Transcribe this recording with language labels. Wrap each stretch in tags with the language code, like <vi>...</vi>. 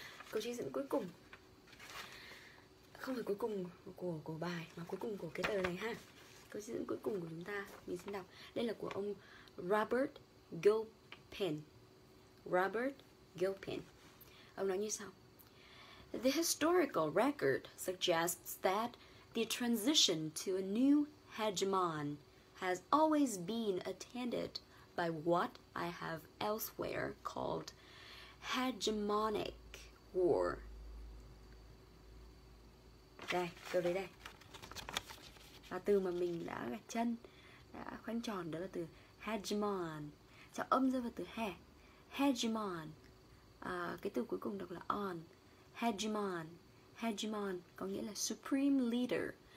<vi>Câu trích dẫn cuối cùng, không phải cuối cùng của bài, mà cuối cùng của cái tờ này ha. Câu trích dẫn cuối cùng của chúng ta, mình xin đọc. Đây là của ông Robert Gilpin. Robert Gilpin. Ông nói như sau:</vi> <en>The historical record suggests that the transition to a new hegemon has always been attended by what I have elsewhere called hegemonic war.</en> <vi>Đây, câu đấy đây. Và từ mà mình đã gạch chân, đã khoanh tròn, đó là từ hegemon. Trọng âm rơi vào từ hè. Hegemon. Cái từ cuối cùng đọc là on. Hegemon. Hegemon có nghĩa là</vi> <en>supreme leader.</en>